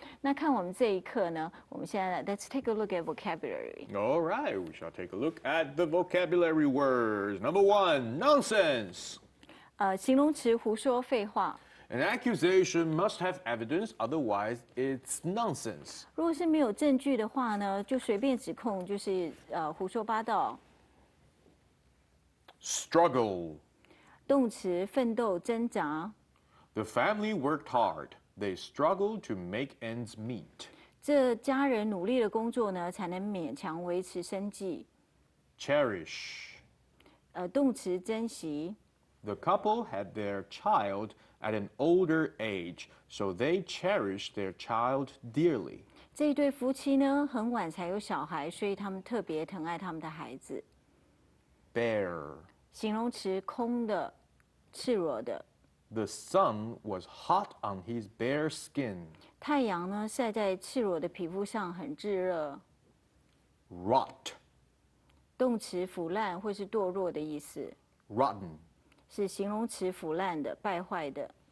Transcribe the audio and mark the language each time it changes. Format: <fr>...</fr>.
<zh>那看我们这一课呢，我们现在</zh> <en>let's take a look at vocabulary。 All right, we shall take a look at the vocabulary words. Number one, nonsense.</en> <zh>形容词胡说废话。</zh> <en>An accusation must have evidence, otherwise it's nonsense.</en> <zh>如果是没有证据的话呢，就随便指控，就是胡说八道。</zh> <en>Struggle.</en> <zh>动词奋斗挣扎。</zh> <en>The family worked hard. They struggled to make ends meet.</en> <zh>这家人努力的工作呢，才能勉强维持生计。</zh> <en>Cherish.</en> <zh>动词珍惜。</zh> <en>The couple had their child at an older age, so they cherished their child dearly.</en> <zh>这一对夫妻呢，很晚才有小孩，所以他们特别疼爱他们的孩子。</zh> <en>Bear.</en> <zh>形容词，空的，赤裸的。</zh> <en>The sun was hot on his bare skin.</en> <zh>太阳呢，晒在赤裸的皮肤上，很炙热。</zh> <en>Rot.</en> <zh>动词，腐烂或是堕落的意思，</zh> <en>Rotten.</en> <zh>是形容词，腐烂的，败坏的。</zh>